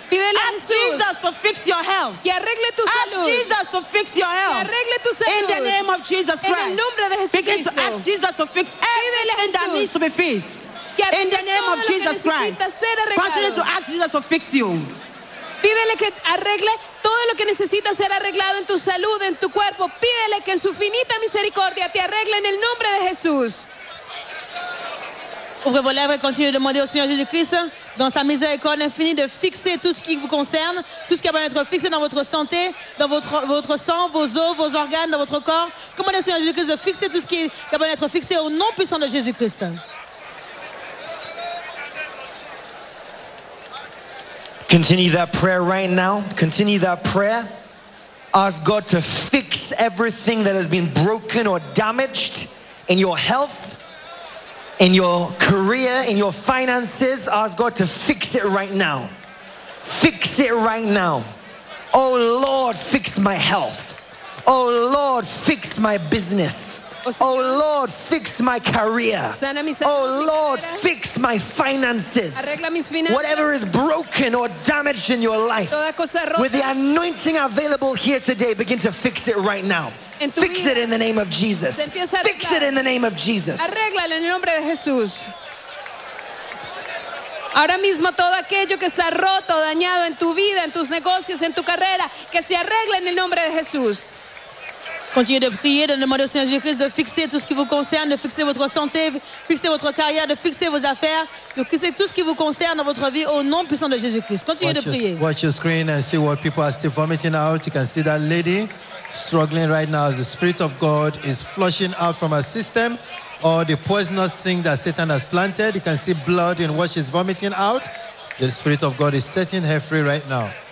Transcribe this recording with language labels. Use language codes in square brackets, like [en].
[en] Ask Jesus to fix your health. Ask Jesus to fix your health. In the name of Jesus Christ. Begin to ask Jesus to fix everything that needs to be fixed. In the name of Jesus Christ. Continue to ask Jesus to fix you. [es] Pídele que arregle todo lo que necesita ser arreglado en tu salud, en tu cuerpo. Pídele que en su finita misericordia te arregle en el nombre de Jesús. [fr] Ouvrez vos lèvres et continuez de demander au Seigneur Jésus-Christ, dans sa miséricorde infinie, de fixer tout ce qui vous concerne, tout ce qui va être fixé dans votre santé, dans votre sang, vos os, vos organes, dans votre corps. Commandez au Seigneur Jésus-Christ de fixer tout ce qui va être fixé au nom puissant de Jésus-Christ. [en] Continue that prayer right now. Continue that prayer. Ask God to fix everything that has been broken or damaged in your health, in your career, in your finances. Ask God to fix it right now. Fix it right now. Oh Lord, fix my health. Oh Lord, fix my business. Oh Lord, fix my career. Oh Lord, fix my finances. Whatever is broken or damaged in your life, with the anointing available here today, begin to fix it right now. Fix it in the name of Jesus. Fix it in the name of Jesus. [es] Arréglalo en el nombre de Jesús. Ahora mismo todo aquello que está roto, dañado en tu vida, en tus negocios, en tu carrera, que se arregle en el nombre de Jesús. [fr] Continuez de prier, de demander au Seigneur Jésus-Christ de fixer tout ce qui vous concerne, de fixer votre santé, de fixer votre carrière, de fixer vos affaires, de fixer tout ce qui vous concerne dans votre vie au nom puissant de Jésus-Christ. Continuez de prier. [en] Watch your screen and see what people are still vomiting out. You can see that lady struggling right now as the Spirit of God is flushing out from her system all the poisonous thing that Satan has planted. You can see blood in what she's vomiting out. The Spirit of God is setting her free right now.